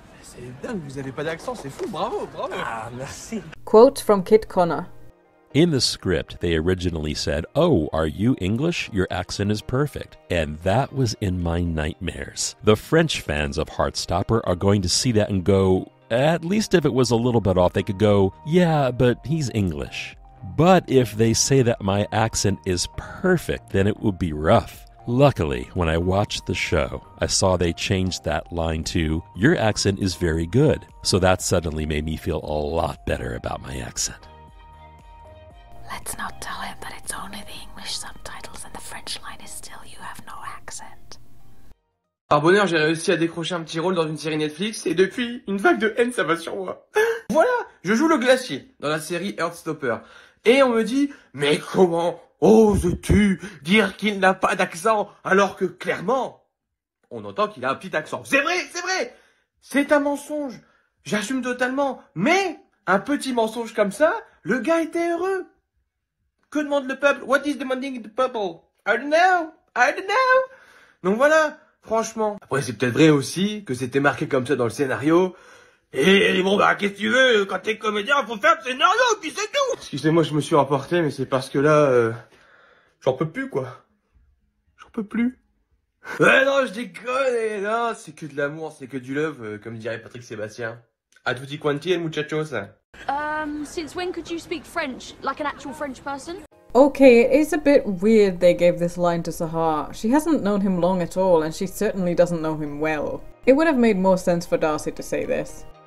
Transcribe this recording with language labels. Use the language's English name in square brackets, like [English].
[French] C'est dingue, vous avez pas d'accent, c'est fou, bravo, bravo. Ah, merci. [English] Quote from Kit Connor. In the script, they originally said, oh, are you English? Your accent is perfect. And that was in my nightmares. The French fans of Heartstopper are going to see that and go, at least if it was a little bit off, they could go, yeah, but he's English. But if they say that my accent is perfect, then it would be rough. Luckily, when I watched the show, I saw they changed that line to, your accent is very good. So that suddenly made me feel a lot better about my accent. Let's not tell him that it's only the English subtitles and the French line is still you have no accent. [French] Par bonheur, j'ai réussi à décrocher un petit rôle dans une série Netflix et depuis, une vague de haine, ça va sur moi. Voilà, je joue le glacier dans la série Heartstopper. Et on me dit, mais comment oses-tu dire qu'il n'a pas d'accent alors que clairement, on entend qu'il a un petit accent. C'est vrai. C'est un mensonge. J'assume totalement. Mais un petit mensonge comme ça, le gars était heureux. Que demande le peuple? [English] What is demanding the people? I don't know. [French] Donc voilà, franchement. Après, c'est peut-être vrai aussi que c'était marqué comme ça dans le scénario. Et bon, bah, qu'est-ce que tu veux? Quand t'es comédien, faut faire le scénario, puis c'est tout! Excusez-moi, je me suis rapporté, mais c'est parce que là, j'en peux plus, quoi. J'en peux plus. Ouais, non, je déconne, non, c'est que de l'amour, c'est que du love, comme dirait Patrick Sébastien. [Italian] A tutti quanti, [Spanish] el muchachos. [English] Since when could you speak French, like an actual French person? Okay, it is a bit weird they gave this line to Sahar. She hasn't known him long at all, and she certainly doesn't know him well. It would have made more sense for Darcy to say this.